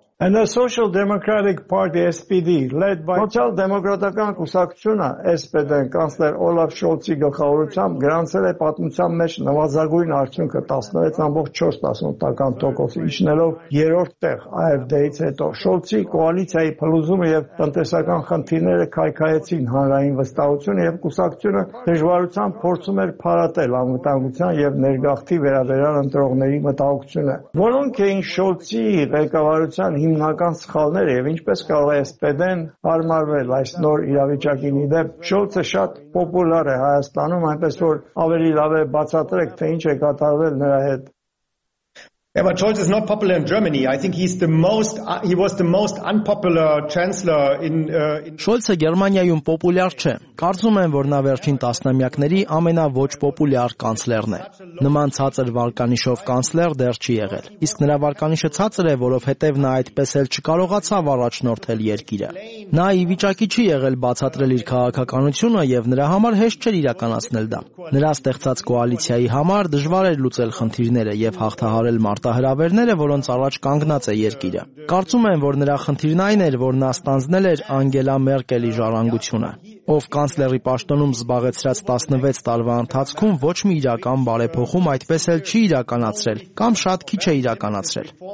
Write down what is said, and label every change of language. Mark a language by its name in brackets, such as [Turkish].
[English] And the Social Democratic Party SPD led by [Armenian] Social Democratakan Kusaktsuna SPD-ն կանսլեր Օլաֆ Շոլցի գլխավորությամբ գրանցել է պատմության մեջ նվազագույն արդյունքը 16.4%-ով իջնելով երրորդ տեղ AfD-ից հետո։ Շոլցի կոալիցիայի փլուզումը եւ տնտեսական խնդիրները քայքայեցին հանրային վստահությունը եւ Կուսակցությունը դժվարությամբ փորձում էր փարատել անվտանգության եւ ներգաղթի վերաբերան ընտրողների մտահոգությունը։ Որոնք էին Շոլցի ղեկավարության հիմնական սխալները եւ ինչպես կարող է SPD-ն հարմարվել այս նոր իրավիճակին։ Իդեպ Շոլցը շատ պոպուլար է Հայաստանում, այնպես որ ավելի լավ է բացատրեք, թե ինչ է կատարվել նրա հետ։ [English] Yeah, but Scholz is not popular in Germany. I think he's the most he was the most unpopular chancellor in [Armenian] Scholz-ը Գերմանիայում պոպուլյար չէ։ Կարծում եմ, որ նա վերջին տասնամյակների ամենաոչ պոպուլյար կանցլերն է։ Նման ցածր վարկանիշով կանցլեր դեռ չի եղել։ Իսկ նրա վարկանիշը ցածր է, որովհետև նա այդպես էլ չկարողացավ առաջնորդել երկիրը։ Նա ի վիճակի չի եղել բացատրել իր քաղաքականությունը եւ նրա համար հեշտ չէր իրականացնել դա։ Նրա ստեղծած կոալիցիայի համար դժվար էր լուծել խնդիրները եւ հաղթահարել մարտահրավերները, որոնց առաջ կանգնած է երկիրը։ Կարծում եմ, որ նրա խնդիրն այն էր, որ նա ստանձնել էր Անգելա Մերկելի ժառանգությունը, ով կանցլերի պաշտոնում զբաղեցրած 16 տարվա ընթացքում ոչ մի իրական բարեփոխում այդպես էլ չի իրականացրել, կամ շատ քիչ է իրականացրել։